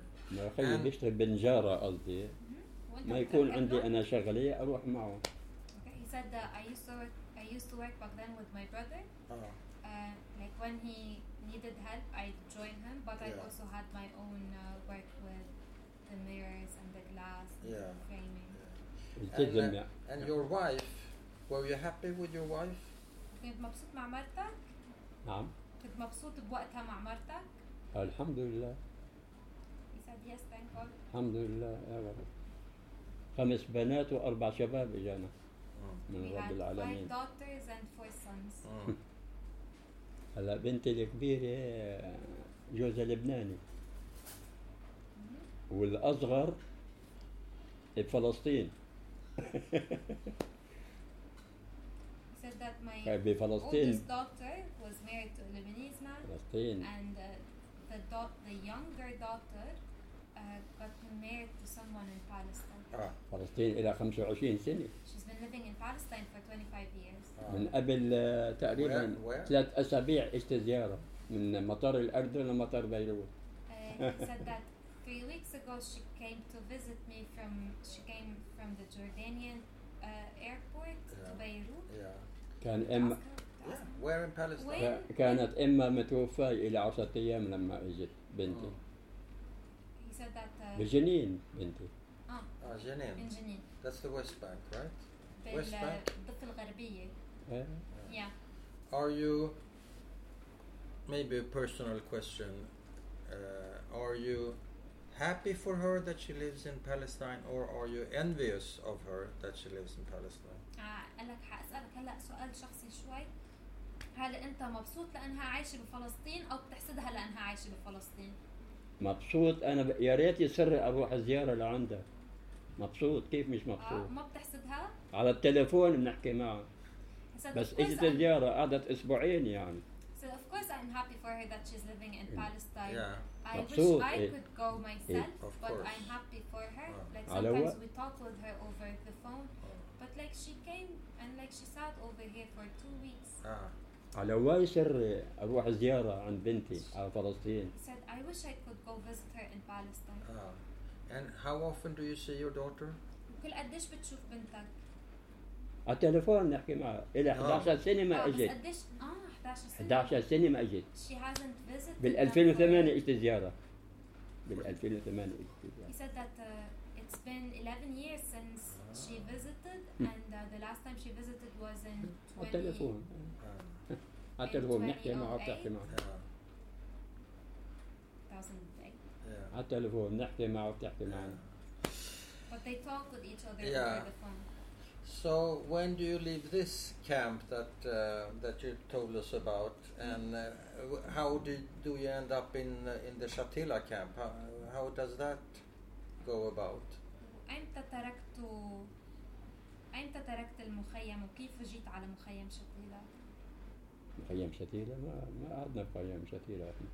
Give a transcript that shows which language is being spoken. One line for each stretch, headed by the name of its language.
Arabic: مع خي بيشتغل بنجارة قصدي. ما يكون عندي أنا شغلة أروح معه.
English: Okay. He said that I used to work back then with my brother. Like when he needed help, I'd join him, but yeah. I also had my own work with the mirrors and the glass and the framing. Yeah. And your wife, were you happy with your wife?
Arabic: كنت مبسوط مع مرتك؟ نعم. كنت مبسوط بوقتها مع مرتك؟ الحمد لله.
English: He said yes, thank God.
Arabic: الحمد لله يا رب. خمس بنات وأربع شباب إجانا من رب العالمين.
English: We had five daughters and four sons.
Arabic: هلا بنتي الكبيرة جوزة لبناني والأصغر بفلسطين.
English: He said that my
Arabic: بفلسطين.
English: Oldest daughter was married to a Lebanese man.
Arabic: فلسطين.
English: And the younger daughter got married to someone in Palestine.
Arabic: فلسطين إلى 25 سنة.
English: She's been living in Palestine for 25 years.
Arabic: من قبل تقريبا ثلاث أسابيع إجت زيارة من مطار الأردن لمطار بيروت.
English: Said that 3 weeks ago she came to visit me from the Jordanian airport to Beirut.
Arabic: كان إما.
English: Yeah. Where in Palestine?
Arabic: كانت إما متوفاة إلى 10 أيام لما إجت بنتي.
English: He said that.
Arabic: بجنين بنتي. جنين.
English: In Jenin. That's the West Bank, right? West Bank.
Arabic: الضفة الغربية. Yeah.
English: Are you, maybe a personal question, are you happy for her that she lives in Palestine, or are you envious of her that she lives in Palestine?
Arabic: لك حاسألك هلا سؤال شخصي شوي. هل أنت مبسوط لأنها عايشة بفلسطين أو بتحسدها لأنها عايشة بفلسطين؟ مبسوط أنا يا ريت يسر أروح زيارة لعندها. مبسوط كيف مش مبسوط؟ ما بتحسدها؟ على التليفون بنحكي معها. بس اجت الزيارة قعدت اسبوعين يعني.
English: So of course I'm happy for her that she's living in Palestine. Yeah. I wish I could go myself, of but I'm happy for her. Like sometimes we talk with her over the phone, but like she came and like she sat over here for 2 weeks.
Arabic: على واي سر اروح زيارة عند بنتي على فلسطين.
English: Said I wish I could go visit her in Palestine. And how often do you see your daughter?
Arabic: كل قديش بتشوف بنتك؟ على التليفون نحكي معها إلى 11 سنة ما أجيت. قديش 11 سنة ما أجيت.
English: She hasn't visited.
Arabic: بال 2008 إجت زيارة. بال 2008 إجت زيارة.
English: He said that it's been 11 years since she visited, and the last time she visited was in 20.
Arabic: على التليفون. على التليفون نحكي معها بتحكي معها. 2008. على التليفون نحكي معها بتحكي معها.
English: But they talk with each other over the phone. So when do you leave this camp that that you told us about, and how do you end up in the Shatila camp? How does that go about?
Arabic: أمتى تركت المخيم وكيف جيت على مخيم شتيلة؟ مخيم شتيلة ما قعدنا في مخيم شتيلة.